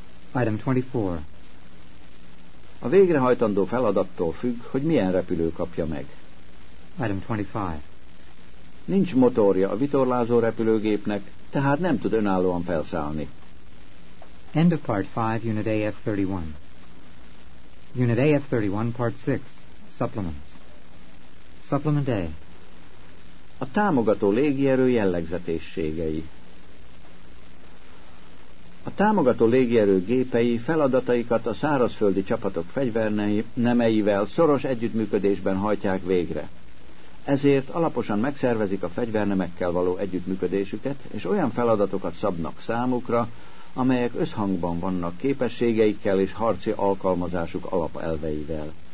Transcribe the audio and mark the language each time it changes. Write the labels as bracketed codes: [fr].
[en] Item 24. [hu] A végrehajtandó feladattól függ, hogy milyen repülő kapja meg. [en] Item 25. [hu] Nincs motorja a vitorlázó repülőgépnek, tehát nem tud önállóan felszállni. [en] End of part 5, unit AF-31. Unit AF-31, part 6, supplements. Supplement A. [hu] A támogató légierő jellegzetességei. A támogató légierő gépei feladataikat a szárazföldi csapatok fegyvernemeivel szoros együttműködésben hajtják végre. Ezért alaposan megszervezik a fegyvernemekkel való együttműködésüket, és olyan feladatokat szabnak számukra, amelyek összhangban vannak képességeikkel és harci alkalmazásuk alapelveivel.